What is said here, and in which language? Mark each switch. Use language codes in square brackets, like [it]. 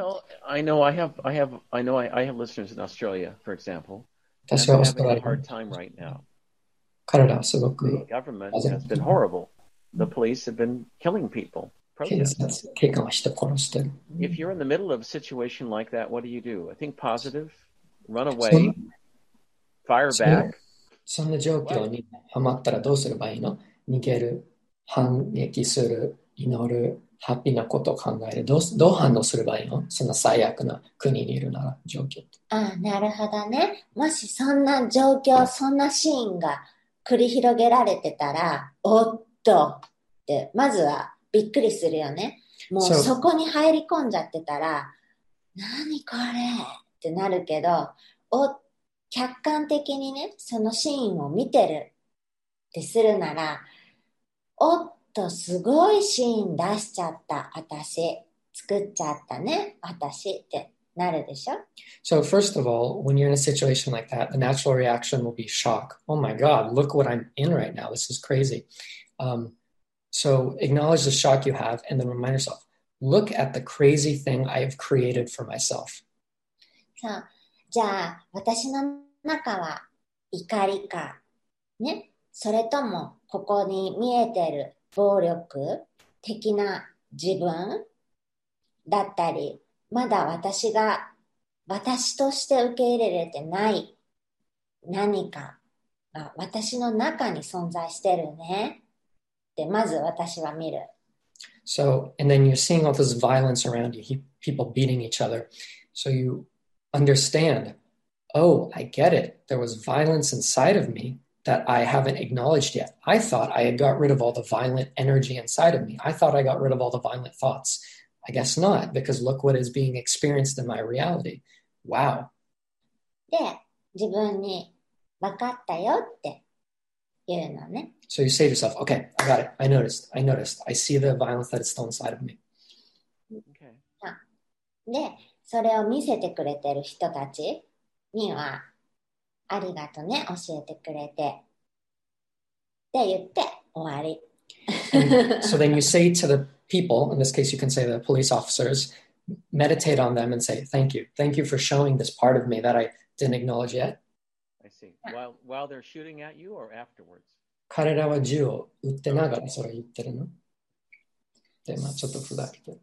[en] Well, I have listeners in Australia, for example. They're having a hard time right now. The government has been horrible. The police have been killing people. If you're in the middle of a situation like that, what do? I think positive, run away, fire back. [ja] そんな状況にハマったらどうすればいいの？逃げる、反撃する、祈る、ハッピーなことを考える。どう反応すればいいの？そんな最悪な国にいるなら状況。ああ、なるほどね。もしそんな状況、そんなシーンが繰り広げられてたら、おっとってまずは。びっくりするよね。もうそこに入り込んじゃってたら、何これってなるけど、客観的にね、そのシーンを見てるってするなら、おっと、すごいシーン出しちゃった、私。作っちゃったね、私ってなるでしょ。 [en] So first of all, when you're in a situation like that, the natural reaction will be shock. Oh my God, look what I'm in right now. This is crazy. So acknowledge the shock you have and then remind yourself, look at the crazy thing I have created for myself. [ja] そう。じゃあ、私の中は怒りか、ね、それともここに見えてる暴力的な自分だったり、まだ私が私として受け入れれてない何かが私の中に存在してるね。まず私は見る。 [en] So, and then you're seeing all this violence around you, people beating each other. So you understand, oh, I get it. There was violence inside of me that I haven't acknowledged yet. I thought I had got rid of all the violent energy inside of me. I thought I got rid of all the violent thoughts. I guess not, because look what is being experienced in my reality. Wow. [ja] で、自分に分かったよって。言うのね、 [en] so you say to yourself, okay, I got it. I noticed. I see the violence that is still inside of me. Okay. [ja] で、それを見せてくれてる人たちには、ありがとうね、教えてくれて。って言って、終わり。 [en] So then you say to the people, in this case you can say the police officers, meditate on them and say, thank you for showing this part of me that I didn't acknowledge yet. I see. Yeah. While they're shooting at you or afterwards? [ja] 彼らは銃を撃ってながらそれ言ってるの。で、まあちょっとふざけて。